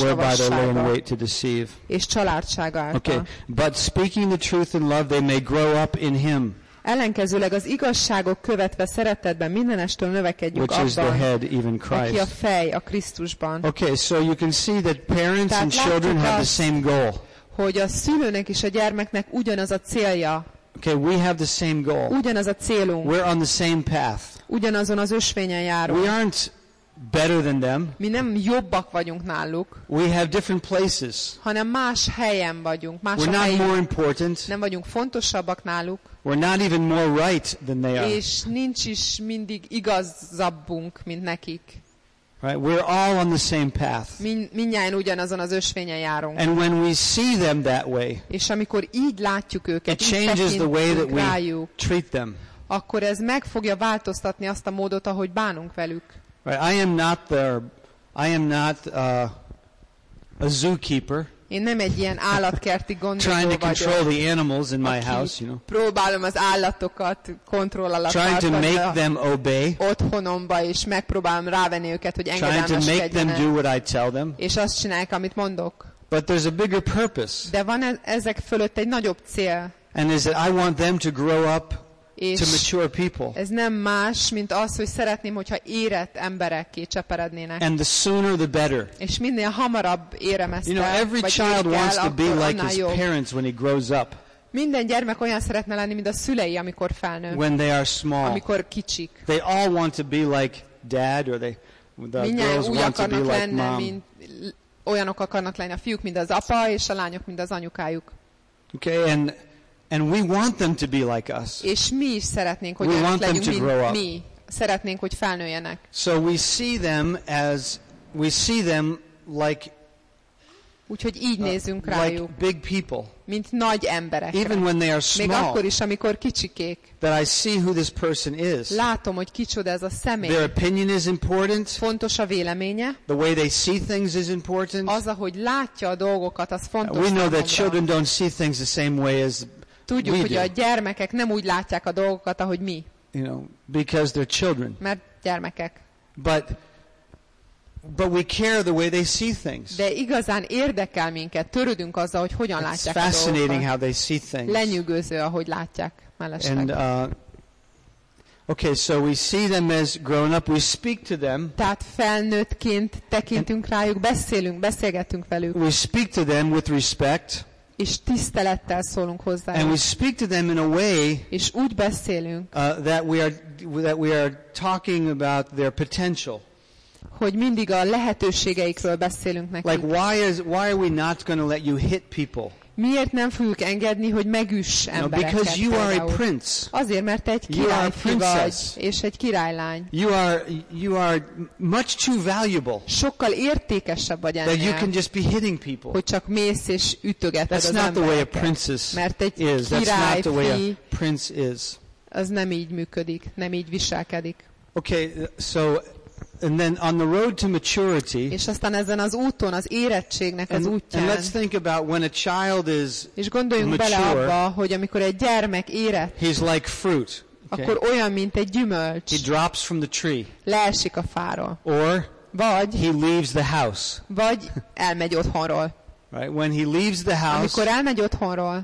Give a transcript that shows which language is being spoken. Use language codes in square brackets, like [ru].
[hu] javassága és csalárdsága által. [en] Okay. But speaking the truth in love, they may grow up in him. [hu] Ellenkezőleg az igazságok követve szeretetben mindenestől növekedjük [en] abban, which is the head, even Christ, [hu] aki a fej a Krisztusban. [en] Okay, so you can see that parents and children have the same goal. [hu] Hogy a szülőnek és a gyermeknek ugyanaz a célja. [en] Okay, we have the same goal. [hu] Ugyanaz a célunk. [en] We're on the same path. [hu] Ugyanazon az ösvényen járunk. [en] We aren't better than them. [hu] Mi nem jobbak vagyunk náluk. [en] We have different places. [hu] Hanem más helyen vagyunk, más [en] We're [hu] a helyen. [en] We're not more important. [hu] Nem vagyunk fontosabbak náluk. [en] We're not even more right than they are. [hu] És nincs is mindig igazabbunk, mint nekik. [en] Right? We're all on the same path. [hu] Mindnyájan ugyanazon az ösvényen járunk. [en] And when we see them that way, [hu] és amikor így látjuk őket, [en] it changes the way that [hu] rájuk, [en] we treat them. [hu] Akkor ez meg fogja változtatni azt a módot, ahogy bánunk velük. [en] Right, I am not there. I am not a zookeeper. [hu] Én nem egy ilyen állatkerti gondozó [en] trying to control [hu] vagyok, [en] the animals in my house, you know. [hu] Próbálom az állatokat kontroll alatt [en] trying to make them obey. [hu] Otthonomba és megpróbálom rávenni őket, hogy engedelmeskedjenek. [en] Trying to make them do what I tell them. [hu] És azt csinálják, amit mondok. [en] But there's a bigger purpose. [hu] De van ezek fölött egy nagyobb cél. [en] And is that I want them to grow up to mature people. [hu] Ez nem más, mint az, hogy szeretném, hogyha érett emberekké cseperednének. [en] And the sooner the better. [hu] És minél hamarabb érem ezt [en] el. You know, every child wants to be like his parents when he grows up. [hu] Minden gyermek olyan szeretne lenni, mint a szülei, amikor felnő. [en] When they are small. [hu] Amikor kicsik. [en] They all want to be like dad, or they, the girls want to be like mom. [hu] Olyanok akarnak lenni a fiúk, mint az apa, és a lányok, mint az anyukájuk. [en] Okay, and we want them to be like us. [hu] És mi is szeretnénk, hogy ők legyünk, mi szeretnénk, hogy felnőjenek. [en] So we see them as we see them like, [hu] úgyhogy így nézünk rájuk, [en] like big people, [hu] mint nagy emberek. [en] Even when they are small, [hu] még akkor is, amikor kicsikék. [en] That I see who this person is. [hu] Látom, hogy kicsoda ez a személy. [en] Their opinion is important. [hu] Fontos a véleménye. [en] The way they see things is important. [hu] Az, ahogy látja a dolgokat, az fontos. [en] We know that children don't see things the same way as [hu] tudjuk, hogy a gyermekek nem úgy látják a dolgokat, ahogy mi. [en] You know, because they're children. [hu] Mert gyermekek. [en] But we care the way they see things. [hu] De igazán érdekel minket, törődünk azzal, hogy hogyan [en] It's [hu] látják a dolgokat. [en] Fascinating how they see things. [hu] Lenyűgöző, ahogy látják. Mellesleg. [en] And okay, so we see them as grown up. We speak to them. [hu] Tehát felnőttként tekintünk rájuk, beszélünk, beszélgetünk velük. [en] We speak to them with respect. [hu] És tisztelettel szólunk hozzájuk. [en] And we speak to them in a way, [hu] és úgy beszélünk, [en] that we are talking about their potential. [hu] Hogy mindig a lehetőségeikről beszélünk nekik. [en] Like why are we not going to let you hit people? [hu] Miért nem fogjuk engedni, hogy megüss embereket? [en] No, because you are a prince. [hu] Azért, mert egy királyfi vagy, és egy királylány. [en] You are much too valuable. [hu] Sokkal értékesebb vagy ennél. [en] That you can just be hitting people. [hu] Hogy csak mész és ütögeted [en] That's [hu] az [en] not [hu] embereket. [en] The way a princess [hu] mert egy [en] is. [hu] Királyfi [en] That's not the way a prince is. [hu] Az nem így működik, nem így viselkedik. [en] Okay, so and then on the road to maturity, [hu] és aztán ezen az úton, az érettségnek az útján, [en] and let's think about when a child is mature, [hu] és gondoljunk bele abba, hogy amikor egy gyermek érett, [en] he's like fruit, okay? [hu] Akkor olyan, mint egy gyümölcs, [en] he drops from the tree, [hu] leesik a fáról, [en] or [hu] vagy [en] he leaves the house, [hu] vagy elmegy otthonról. [en] Right, when he leaves the house, [hu] amikor elmegy otthonról,